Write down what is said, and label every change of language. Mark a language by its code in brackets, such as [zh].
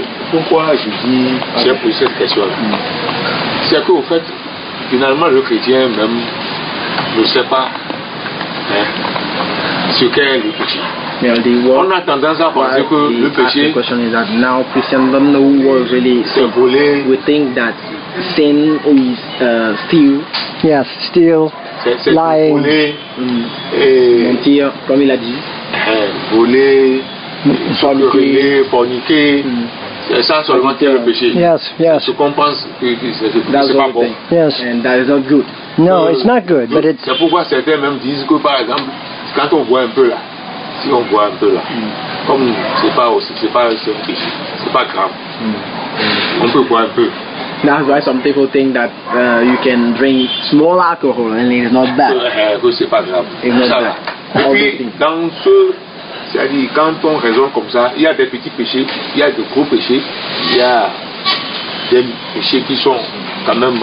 [fr] Pourquoi je dis j'ai posé cette question là? C'est que au fait, finalement le chrétien même ne sait pas ce qu'est le péché. On a tendance à penser que le péché, [en] the question is that now Christians don't know what really [fr] c'est volé. [en] We think that sin is steal. Yes, steal. [fr] C'est [en] lying. [fr] Voler, mentir, comme il a dit. Voler, fornicer, forniquer. C'est ça seulement le péché. [en] Yes, yes. [fr] Ce qu'on pense, c'est pas bon. [en] Yes. And that is not good. No, it's not good. But it's. [fr] C'est pourquoi certains même disent que par exemple, quand on voit un peu là. Si on voit un peu là, comme c'est pas grave, on peut boire un peu. [en] That's why some people think that you can drink small alcohol and it's not bad. [fr] C'est pas grave. [en] It's not bad. [fr] Et puis dans ce, c'est-à-dire quand on raisonne comme ça, il y a des petits péchés, il y a des gros péchés, il y a des péchés qui sont quand même